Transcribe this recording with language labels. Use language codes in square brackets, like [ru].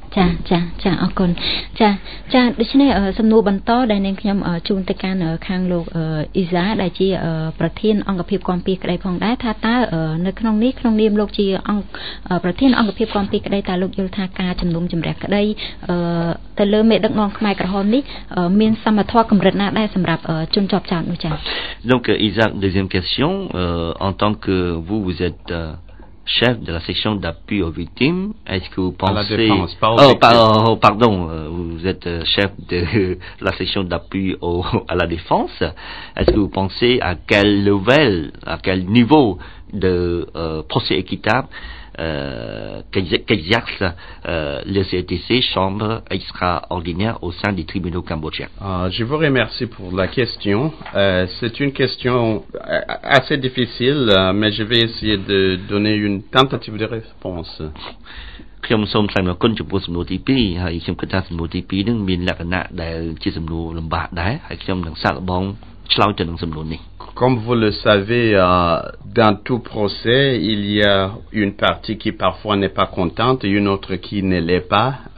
[km] ចាចាចាអរគុណចាចាដូច្នេះសំណួរបន្តដែលនាងខ្ញុំជូនទៅកាន់ខាងលោកអ៊ីសាដែលជាប្រធានអង្គភាពគាំពារក្តីផងដែរថាតើនៅក្នុងនេះក្នុងនាមលោកជាអង្គប្រធានអង្គភាពគាំពារក្តីតើលោកយល់ថាការជំនុំជម្រះក្តីទៅលើមេដឹកនាំខ្មែរក្រហមនេះមានសមត្ថភាពកម្រិតណាដែរសម្រាប់ជនជាប់ចោទនោះចា [fr] Donc Isaac deuxième question en tant que vous êtes chef de la section d'appui aux victimes, est-ce que vous pensez... À la défense, pas aux victimes. Pardon, vous êtes chef de la section d'appui à la défense. Est-ce que vous pensez à quel level, à quel niveau de procès équitable qu'exerce le CETC, chambre extraordinaire au sein des tribunaux cambodgiens? Je vous remercie pour la question. C'est une question assez difficile, mais je vais essayer de donner une tentative de réponse. [km] ខ្ញុំសូមថ្លែងអរគុណចំពោះសំណួរទី2ហើយខ្ញុំគិតថាសំណួរទី2នឹងមានលក្ខណៈដែលជាសំណួរលំបាកដែរហើយខ្ញុំនឹងសាកល្បងឆ្លើយទៅនឹងសំណួរនេះ [fr] Comme vous le savez, dans tout procès, il y a une partie qui parfois n'est pas contente et une autre qui ne l'est pas.